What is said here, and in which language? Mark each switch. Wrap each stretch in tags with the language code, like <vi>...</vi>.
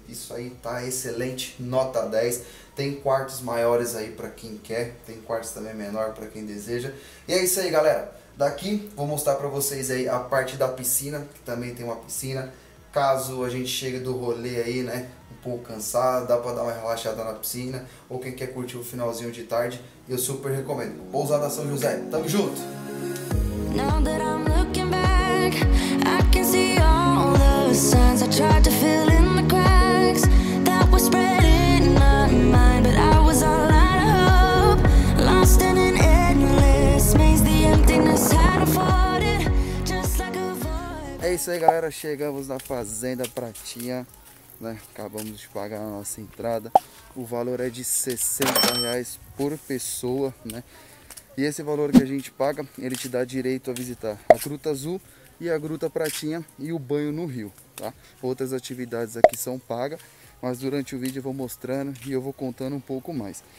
<pt>Isso aí tá excelente, nota 10. Tem quartos maiores aí para quem quer, tem quartos também menor para quem deseja. E é isso aí, galera. Daqui vou mostrar para vocês aí a parte da piscina, que também tem uma piscina. Caso a gente chegue do rolê aí, né, um pouco cansado, dá para dar uma relaxada na piscina, ou quem quer curtir o finalzinho de tarde, eu super recomendo. Pousada São José, tamo junto.</pt> <en>Now that I'm looking back, I can see all the signs I tried to fill in the cracks that were spreading in my mind, but I was all out of hope, lost in an endless maze, the emptiness had afforded, just like a void.</en> <pt>É isso aí, galera, chegamos na Fazenda Pratinha, né? Acabamos de pagar a nossa entrada. O valor é de R$60 por pessoa, né? E esse valor que a gente paga, ele te dá direito a visitar a Gruta Azul e a Gruta Pratinha e o banho no rio, tá? Outras atividades aqui são pagas, mas durante o vídeo eu vou mostrando e eu vou contando um pouco mais.</pt>